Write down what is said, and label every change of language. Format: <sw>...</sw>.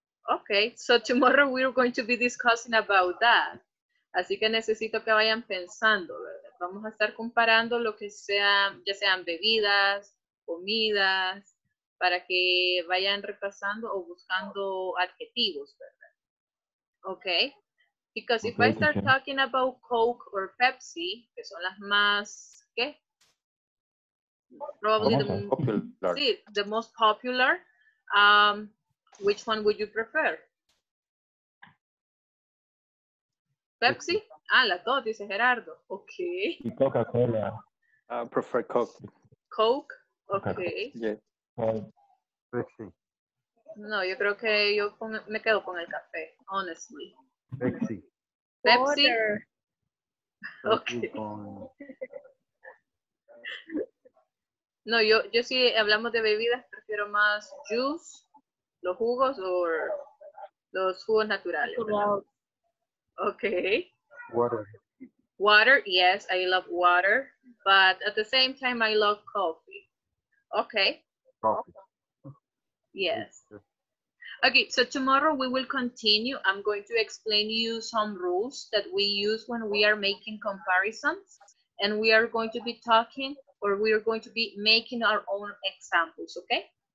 <en>Okay, so tomorrow we're going to be discussing about that.</en> <es>Así que necesito que vayan pensando, ¿verdad? Vamos a estar comparando lo que sean, ya sean bebidas, comidas, para que vayan repasando o buscando adjetivos, ¿verdad?</es> <en>Okay. Because if I start talking about Coke or Pepsi,</en> <es>que son las más, ¿qué?</es> <en>Probably the most popular. Which one would you prefer?</en> <es>Pepsi? Ah, la dos, dice Gerardo. Okay.</es> <en>Coca-Cola. I prefer Coke. Coke? Okay. Yeah. Pepsi.</en> <es>No, yo creo que yo me quedo con el café, honestly.</es> <en>Pepsi. Pepsi? Okay.</en> <es>No, yo si hablamos de bebidas, prefiero más juice, los jugos, o los jugos naturales. ¿Verdad? Okay.</es> <en>Water. Water, yes, I love water, but at the same time, I love coffee. Okay. Coffee. Yes. Okay, so tomorrow we will continue. I'm going to explain you some rules that we use when we are making comparisons, and we are going to be talking, or we are going to be making our own examples, okay?</en>